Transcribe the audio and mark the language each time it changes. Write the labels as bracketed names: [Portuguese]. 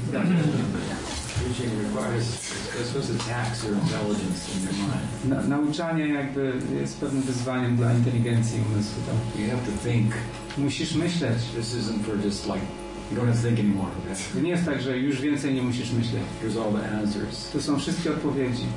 [English] Teaching requires, I suppose, it attacks your intelligence in your mind. [Polish] Nauczanie jakby jest pewnym wyzwaniem dla inteligencji umysłu. Tak? [English] You have to think. [Polish] Musisz myśleć. [English] This isn't for just like, you don't have to think anymore. [Polish] To nie jest tak, że już więcej nie musisz myśleć. [English] Here's all the answers. [Polish] To są wszystkie odpowiedzi.